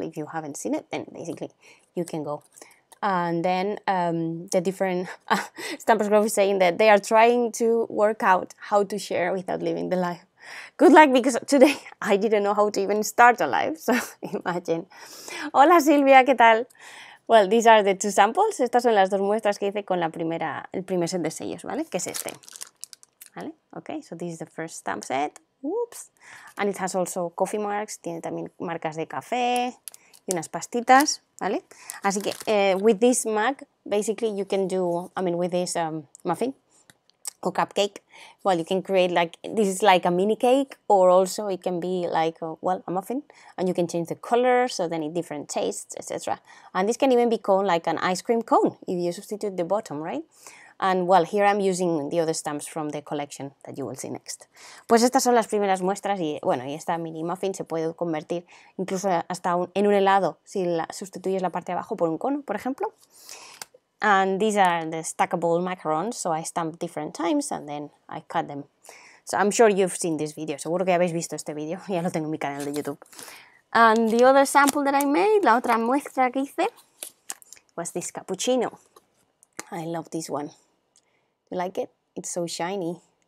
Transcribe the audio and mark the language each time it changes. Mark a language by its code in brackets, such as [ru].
[en] If you haven't seen it, then basically you can go. And then the different, Stampers Grove is saying that they are trying to work out how to share without living the life. Good luck, because today I didn't know how to even start a live, so imagine. [es] Hola Silvia, ¿qué tal? [en] Well, these are the two samples. [es] Estas son las dos muestras que hice con la primera, el primer set de sellos, ¿vale? Que es este. ¿Vale? [en] Okay, so this is the first stamp set. Whoops. And it has also coffee marks. [es] Tiene también marcas de café y unas pastitas, ¿vale? Así que [en] with this mug, basically you can do, I mean, with this muffin or cupcake, well, you can create like, this is like a mini cake, or also it can be like, well, a muffin, and you can change the color, so then it different tastes, etc. And this can even be called like an ice cream cone, if you substitute the bottom, right? And well, here I'm using the other stamps from the collection that you will see next. [es] Pues estas son las primeras muestras, y bueno, y esta mini muffin se puede convertir incluso hasta en un helado, si la sustituyes la parte de abajo por un cono, por ejemplo. [en] And these are the stackable macarons, so I stamped different times and then I cut them. So I'm sure you've seen this video, [es] seguro que habéis visto este video, ya lo tengo en mi canal de YouTube. [en] And the other sample that I made, [es] la otra muestra que hice, [en] was this cappuccino. I love this one. You like it? It's so shiny.